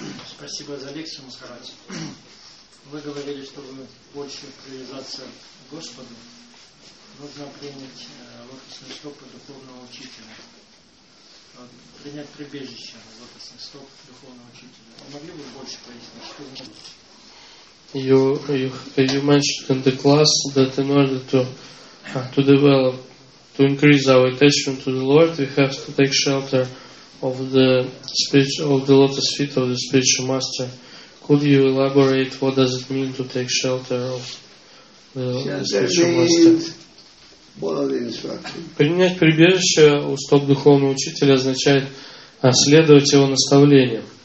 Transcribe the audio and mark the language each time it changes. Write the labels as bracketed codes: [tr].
[ru] Спасибо за лекцию, Махарадж. Вы говорили, чтобы больше привязаться к Господу, нужно принять лотосный стоп и духовного учителя. Принять прибежище лотосный стоп и духовного учителя. Вы могли бы больше пояснить, что вы можете? [en] You mentioned in the class that in order to increase our attachment to the Lord, we have to take shelter of the speech of the lotus feet of the spiritual master. Could you elaborate what does it mean to take shelter of the spiritual master? [ru] Принять прибежище у стоп духовного учителя означает следовать его наставлениям.